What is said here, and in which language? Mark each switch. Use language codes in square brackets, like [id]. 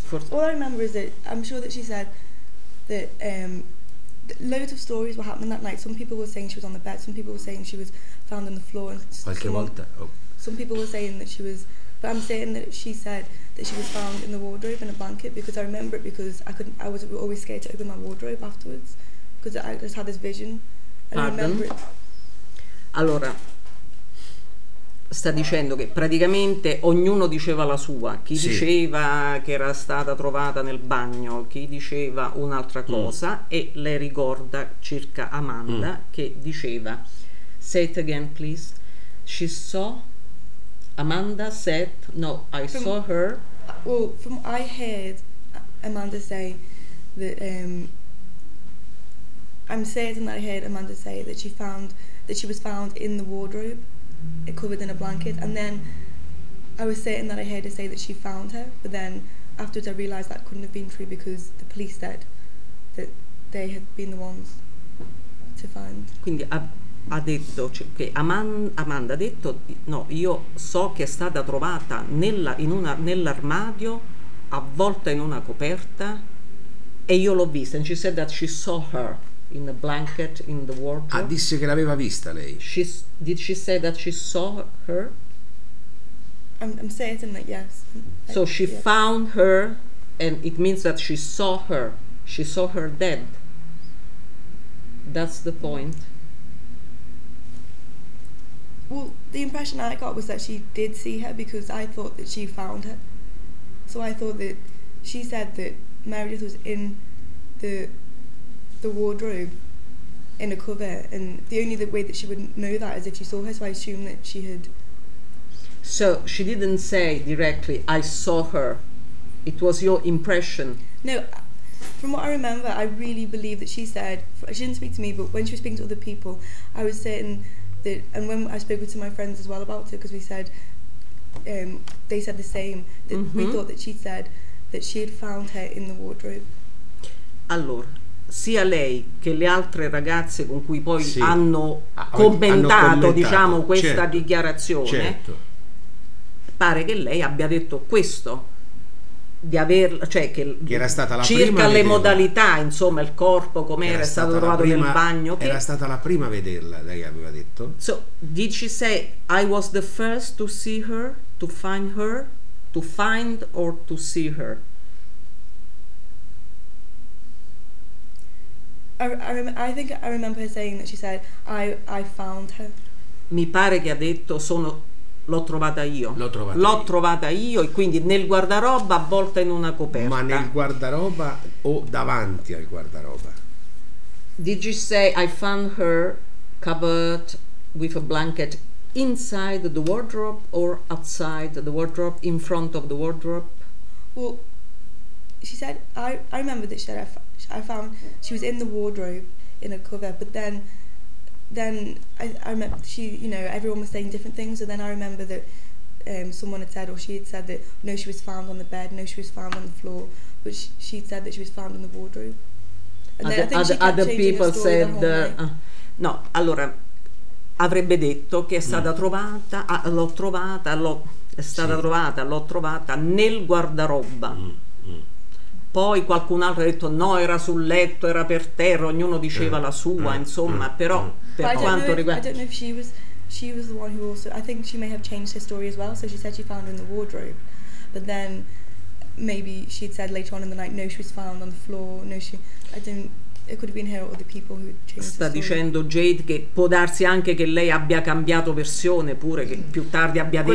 [en] All I remember is that I'm sure that she said that loads of stories were happening that night. Some people were saying she was on the bed. Some people were saying she was found on the floor. And [it] qualche volta. Oh. [en] Some people were saying that she was. But I'm saying that she said that she was found in the wardrobe in a blanket because I remember it because I couldn't. I was always scared to open my wardrobe afterwards because I just had this vision. Pardon? I remember it. [it] Allora, sta dicendo che praticamente ognuno diceva la sua. Chi sì. Diceva che era stata trovata nel bagno, chi diceva un'altra cosa e le ricorda circa Amanda che diceva, [en] say it again please, she saw. Amanda said, no, I from, saw her. Well, from I heard Amanda say that, I'm certain that I heard Amanda say that she found, that she was found in the wardrobe, covered in a blanket, and then I was certain that I heard her say that she found her, but then afterwards I realised that couldn't have been true because the police said that they had been the ones to find. [it] Quindi ha detto cioè, che Amanda ha detto no, io so che è stata trovata nell'armadio avvolta in una coperta e io l'ho vista. [en] And she said that she saw her in a blanket in the wardrobe. [it] Ah, disse che l'aveva vista lei. [en] Did she say that she saw her? I'm certain that yes. So she found her and it means that she saw her. She saw her dead. That's the point. Well, the impression I got was that she did see her because I thought that she found her. So I thought that she said that Meredith was in the wardrobe in a cover, and the only way that she would know that is if she saw her, so I assumed that she had. So she didn't say directly, I saw her. It was your impression. No, from what I remember, I really believe that she said, she didn't speak to me, but when she was speaking to other people, I was certain. And when I spoke with some of my friends as well about it, because we said, they said the same, that we thought that she said that she had found her in the wardrobe. [it] Allora, sia lei che le altre ragazze con cui poi sì, hanno commentato diciamo questa certo, dichiarazione certo, pare che lei abbia detto questo, di aver, cioè che era stata la circa prima le modalità, insomma il corpo come era stato trovato prima, nel bagno, era che era stata la prima a vederla, lei aveva detto. [en] So did she say I was the first to see her, to find her, to find or to see her? I think I remember her saying that she said I found her. [it] Mi pare che ha detto sono l'ho trovata io. L'ho trovata io e quindi nel guardaroba avvolta in una coperta. Ma nel guardaroba o davanti al guardaroba? [en] Did you say I found her covered with a blanket inside the wardrobe or outside the wardrobe, in front of the wardrobe? Well, she said I remember that she said I found she was in the wardrobe in a cover, but then I remember she, you know, everyone was saying different things, and then I remember that someone had said, or she had said that no, she was found on the bed, no, she was found on the floor, but she'd said that she was found in the wardrobe. And then I think other people said no, [it] allora avrebbe detto che è stata trovata, l'ho trovata nel guardaroba. Poi qualcun altro ha detto no, era sul letto, era per terra, ognuno diceva la sua, insomma, però per quanto riguarda, [en] I don't know if she was the one who also, I think she may have changed her story as well, so she said she found her in the wardrobe, but then maybe she'd said later on in the night no, she was found on the floor, no, she, I didn't, it could have been her or the people who changed her story. [it] Sta dicendo Jade che può darsi anche che lei abbia cambiato versione, pure che più tardi abbia